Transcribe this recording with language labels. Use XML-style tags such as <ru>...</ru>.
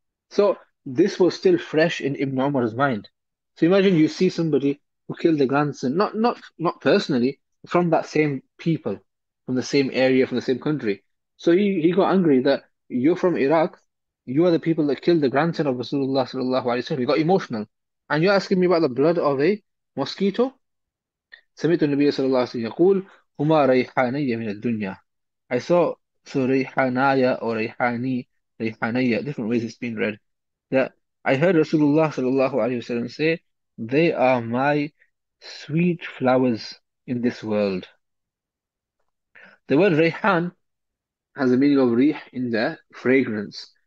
<en>So this was still fresh in Ibn Umar's mind. So imagine you see somebody who killed the grandson, not personally, from that same people, from the same area, from the same country. So he got angry that you're from Iraq, you are the people that killed the grandson of Rasulullah sallallahu alaihi wasallam. He got emotional, and you're asking me about the blood of a mosquito.</en> <ar>سمعت النبي صلى الله عليه وسلم يقول هما ريحاني من الدنيا.</ar> <en>I saw ريحانايا or ريحاني. Rihaniya, different ways it's been read. That I heard Rasulullah sallallahu alaihi wasallam say, "They are my sweet flowers in this world." The word Rayhan has a meaning of rih in the fragrance.</en>